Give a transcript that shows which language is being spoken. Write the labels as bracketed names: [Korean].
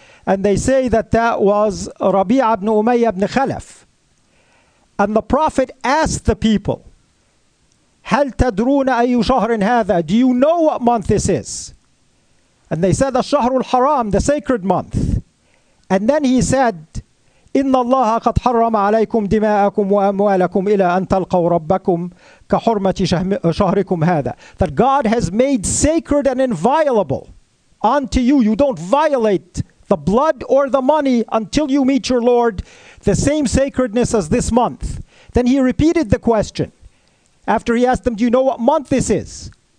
[English] And they say that that was Rabi'a ibn Umayyah ibn Khalaf. And the Prophet asked the people, [Arabic] هَلْ تَدْرُونَ أَيُّ شَهْرٍ هَذَا? [English] Do you know what month this is? And they said, [Arabic] الشهر الحرام, [English] the sacred month. And then he said, [Arabic] إِنَّ اللَّهَ قَدْ حَرَّمَ عَلَيْكُمْ دِمَاءَكُمْ وَأَمْوَالَكُمْ إِلَىٰ أَنْ تَلْقَوْ رَبَّكُمْ كَحُرْمَةِ شَهْرِكُمْ هَذَا. [English] That God has made sacred and inviolable unto you. You don't violate the blood or the money until you meet your Lord, the same sacredness as this month. Then he repeated the question. After he asked them, do you know what month this is?